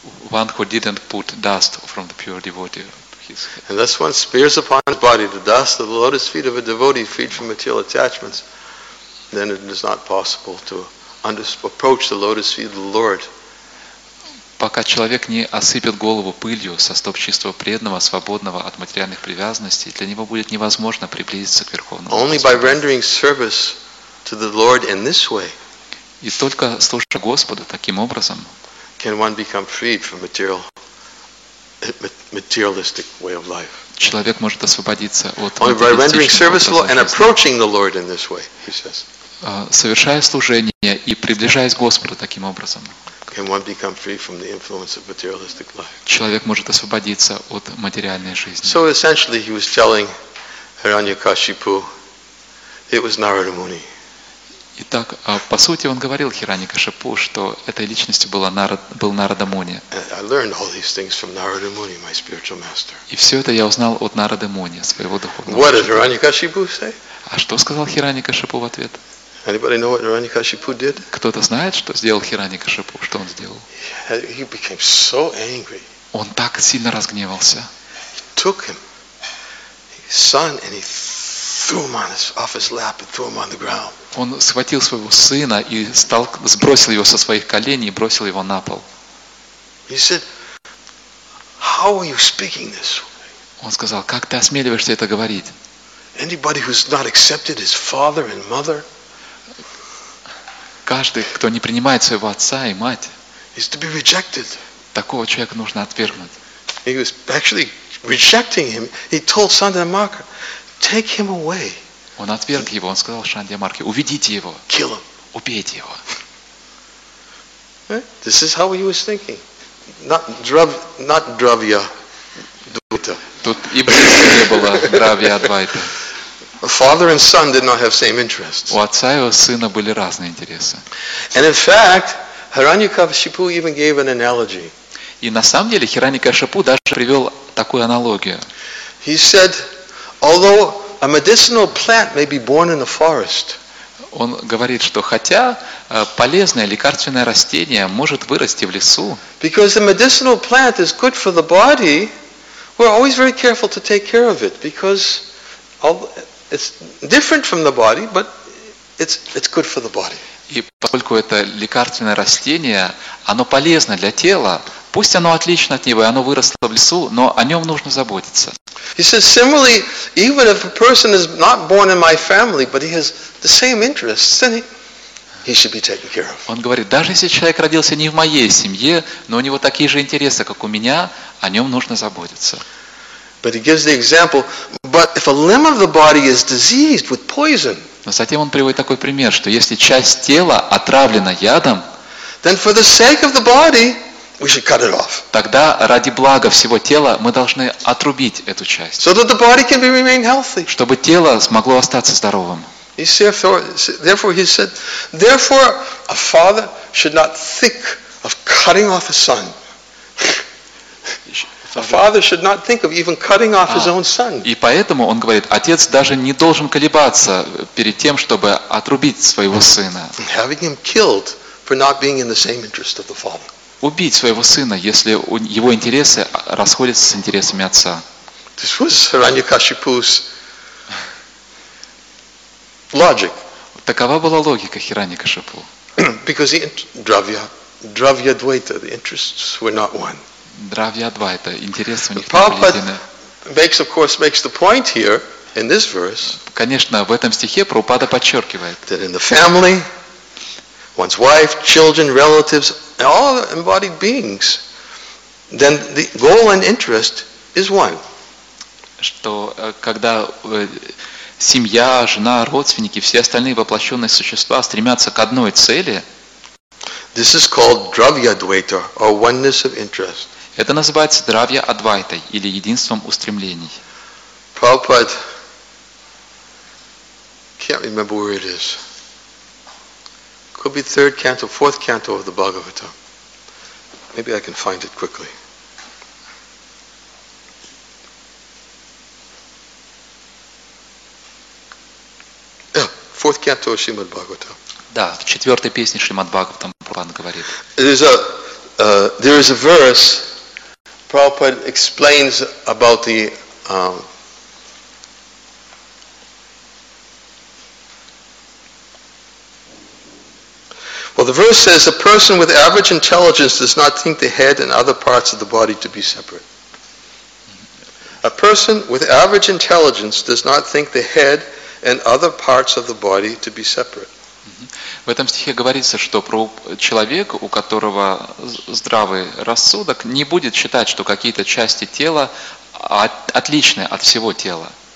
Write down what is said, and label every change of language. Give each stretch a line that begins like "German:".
English: One who didn't put dust from the pure devotee. And thus one spears upon his body the dust of the lotus feet of a devotee freed from material attachments, then it is not possible to approach the lotus feet of the Lord.
Russian: Пока человек не осыпет голову пылью со стоп чистого преданного, свободного от материальных привязанностей, для него будет невозможно приблизиться к Верховному.
English: Only by rendering service to the Lord in this way,
Russian: и только служа Господу таким образом,
English: can one become freed from material materialistic way of life.
Russian: Человек может освободиться от
English: rendering service and approaching the Lord in this way, he says.
Russian: Совершая служение и приближаясь к Господу таким образом.
English: Can one become free from the influence of materialistic life?
Russian: Человек может освободиться от материальной жизни.
English: So essentially, he was telling Hiranyakashipu, it was Narada Muni.
Russian: Итак, по сути, он говорил Хиранькашипу, что этой личностью был Нарада Муни.
English: I learned all these things from Narada Muni, my spiritual master.
Russian: И все это я узнал от Нарада Муни, своего духовного учителя.
English: What did Hiranyakashipu say?
Russian: А что сказал Хиранькашипу в ответ?
English: Anybody know what Hiranyakashipu did?
Russian: Кто-то знает, что сделал Хиранькашипу, что он сделал?
English: He became so angry.
Russian: Он так сильно разгневался.
English: He took him, his son, and he threw him on his, off his lap and threw him on the ground.
Russian: Он схватил своего сына и стал сбросил его со своих коленей и бросил его на пол.
English: He said, "How are you speaking this way?"
Russian: Он сказал, как ты осмеливаешься это говорить?
English: Anybody who's not accepted his father and mother,
Russian: каждый, кто не принимает своего отца и мать,
English: is to be rejected.
Russian: Такого человека нужно отвергнуть.
English: He was actually rejecting him. He told Sandamaka, "Take him away."
Russian: Он отверг его, он сказал Шандьямарке, уведите его,
English: kill him.
Russian: Убейте его.
English: This is how he was thinking. Not Dravya Advaita.
Russian: Тут и близко не было Дравья Адвайта.
English: Father and son did not have same interests.
Russian: У отца и у сына были разные интересы.
English: And in fact, Hiranyakashipu even gave an analogy.
Russian: И на самом деле Хиранькашипу даже привел такую аналогию.
English: He said, although a medicinal plant may be born in a forest.
Russian: Он говорит, что хотя полезное лекарственное растение может вырасти в лесу.
English: Because a medicinal plant is good for the body, we're always very careful to take care of it because it's different from the body, but it's good for the body.
Russian: И поскольку это лекарственное растение, оно полезно для тела. Пусть оно отлично от него, и оно выросло в лесу, но о нем нужно заботиться.
English: He says similarly, even if a person is not born in my family, but he has the same interests, then he should be taken care of.
Russian: Он говорит, даже если человек родился не в моей семье, но у него такие же интересы, как у меня, о нем нужно заботиться.
English: But he gives the example, but if a limb of the body is diseased with poison.
Russian: Но затем он приводит такой пример, что если часть тела отравлена ядом,
English: then for the sake of the body. We should cut it off.
Russian: Тогда ради блага всего тела мы должны отрубить эту часть.
English: So that the body can remain healthy.
Russian: Чтобы тело смогло остаться здоровым.
English: Therefore, he said, therefore, a father should not think of cutting off a son. A father should not think of even cutting off his own son.
Russian: И поэтому он говорит, отец даже не должен колебаться перед тем, чтобы отрубить своего сына.
English: Having him killed for not being in the same interest of the father.
Russian: Убить своего сына, если его интересы расходятся с интересами отца.
English: This was Hiranyakashipu's logic.
Russian: Такова была логика Хираньякашипу.
English: Because the Dravya-dvaita, the interests were not one.
Russian: Dravya-dvaita, интересы у них не были едины.
English: Makes the point here in this verse.
Russian: Конечно, в этом стихе Прабхупада подчеркивает.
English: That in the family, one's wife, children, relatives. And all embodied beings, then the goal and interest is one.
Russian: Что когда семья, жена, родственники, все остальные воплощенные существа стремятся к одной цели.
English: This is called dravya-dvaita, or oneness of interest.
Russian: Это называется dravya-advaita, или единством устремлений.
English: Prabhupada, can't remember where it is. Could be third canto, fourth canto of the Bhagavatam. Maybe I can find it quickly. Fourth canto of Srimad Bhagavatam.
Russian: Да, в четвертой песне Шримад Бхагаватам Прабхупада говорит.
English: There is a verse. Prabhupada explains about the. Well, the verse says a person with average intelligence does not think the head and other parts of the body to be separate. A person with average intelligence does not think the head and other parts of the body to be separate.
Russian: В этом стихе говорится, что про человек, у которого здравый рассудок, не будет считать, что какие-то части тела отличны от всего тела.